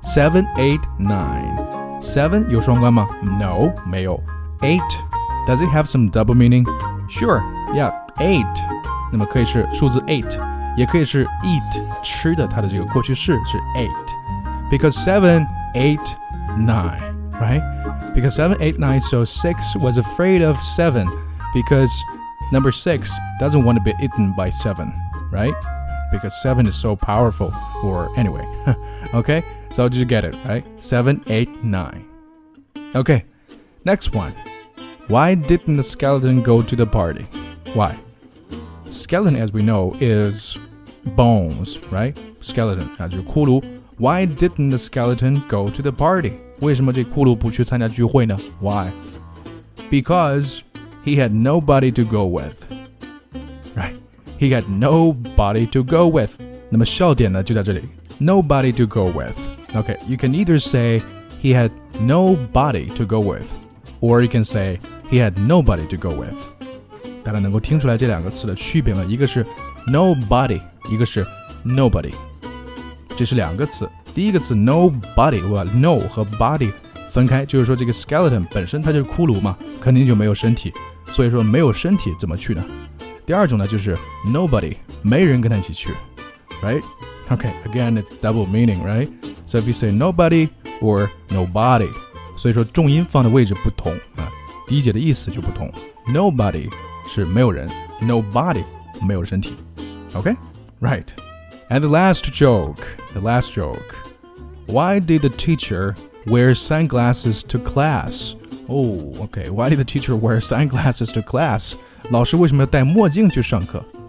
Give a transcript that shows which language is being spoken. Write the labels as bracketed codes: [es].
[en] 7, 8, 9. [zh] 7有双关吗 [en] No, [zh] 没有 [en] 8, does it have some double meaning? Sure, yeah, 8 [zh] 那么可以是数字8也可以是 eat, 吃的它的这个过去式是8 [en] Because 7, 8, 9, right? Because 7, 8, 9, so 6 was afraid of 7 Because number 6 doesn't want to be eaten by 7, right? Because 7 is so powerful, or anyway, okay? So did you get it, right? 7, 8, 9. Okay, next one. Why didn't the skeleton go to the party? Why? Skeleton, as we know, is bones, right? Skeleton, 啊， [zh] 就是骷髅。 [en] Why didn't the skeleton go to the party? [zh] 为什么这骷髅不去参加聚会呢？ [en] Why? Because he had nobody to go with. Right? He had nobody to go with. [zh] 那么笑点呢就在这里。 [en] Nobody to go with. Okay, you can either say he had nobody to go with, or you can say he had nobody to go with. [zh] 大家能够听出来这两个词的区别吗？一个是 nobody, 一个是 nobody. 这是两个词，第一个词 nobody， 我把 no 和 body 分开，就是说这个 skeleton 本身它就是骷髅嘛，肯定就没有身体，所以说没有身体怎么去呢？第二种呢就是 nobody， 没人跟他一起去， right？ Okay， again it's double meaning， right？ So if you say nobody or nobody，所以说重音放的位置不同啊，理解的意思就不同。 Nobody 是没有人， nobody 没有身体， okay， right。 [en] And the last joke. Why did the teacher wear sunglasses to class? Oh, okay. Why did the teacher wear sunglasses to class? [zh] 老师为什么要戴墨镜去上课？